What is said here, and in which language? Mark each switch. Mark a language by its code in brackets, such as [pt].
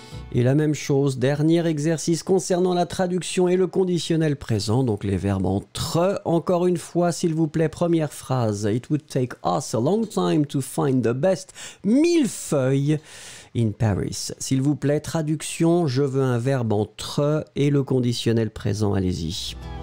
[fr] Et Et la même chose, dernier exercice concernant la traduction et le conditionnel présent, donc les verbes en tre. Encore une fois, s'il vous plaît, première phrase. [en] It would take us a long time to find the best millefeuille in Paris. [fr] S'il vous plaît, traduction, je veux un verbe en tre et le conditionnel présent, allez-y.